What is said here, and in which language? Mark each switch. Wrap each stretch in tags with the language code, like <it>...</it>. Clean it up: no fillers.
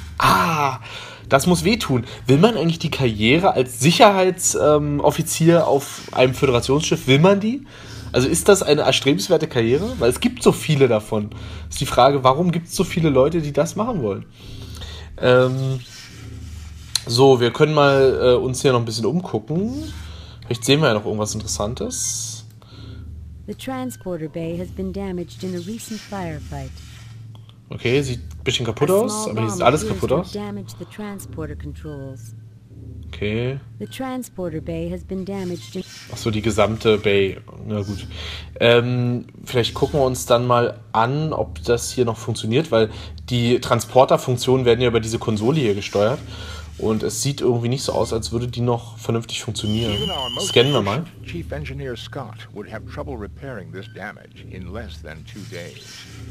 <de>Ah, das muss wehtun. Will man eigentlich die Karriere als Sicherheitsoffizier auf einem Föderationsschiff, will man die? Also ist das eine erstrebenswerte Karriere? Weil es gibt so viele davon. Ist die Frage, warum gibt es so viele Leute, die das machen wollen? So, wir können mal uns hier noch ein bisschen umgucken. Vielleicht sehen wir ja noch irgendwas Interessantes.</de> <en>The transporter bay has been damaged in a recent firefight.</en> <de>Okay, sieht ein bisschen kaputt aus, aber hier sieht alles kaputt aus.</de> <en>Damaged the transporter controls. Okay. The transporter bay has been damaged.</en> <de>Ach so, die gesamte Bay. Na gut. Vielleicht gucken wir uns dann mal an, ob das hier noch funktioniert, weil die Transporterfunktionen werden ja über diese Konsole hier gesteuert und es sieht irgendwie nicht so aus, als würde die noch vernünftig funktionieren. Scannen wir mal.</de> <en>Chief Engineer Scott would have trouble repairing this damage in less than 2 days.</en>